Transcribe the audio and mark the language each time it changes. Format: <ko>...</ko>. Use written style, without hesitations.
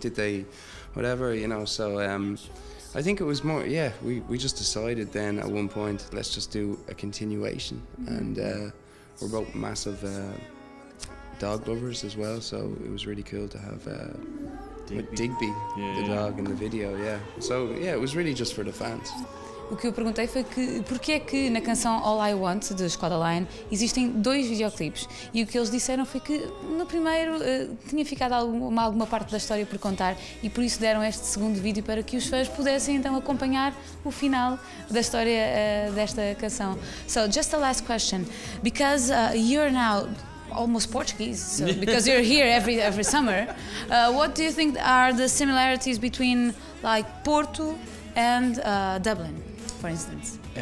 <en>Did they, whatever, you know? So I think it was more, we just decided then at one point, let's just do a continuation. Mm-hmm. And we're both massive dog lovers as well, so it was really cool to have Digby, dog in the video, So, it was really just for the fans.</en> <pt>O que eu perguntei foi que porque é que na canção All I Want de Squad Line existem dois videoclipes, e o que eles disseram foi que no primeiro tinha ficado alguma parte da história por contar, e por isso deram este segundo vídeo para que os fãs pudessem então acompanhar o final da história desta canção.</pt> <en>So, just a last question, because you're now almost Portuguese, so, because you're here every summer. What do you think are the similarities between like Porto and Dublin, for instance?</en>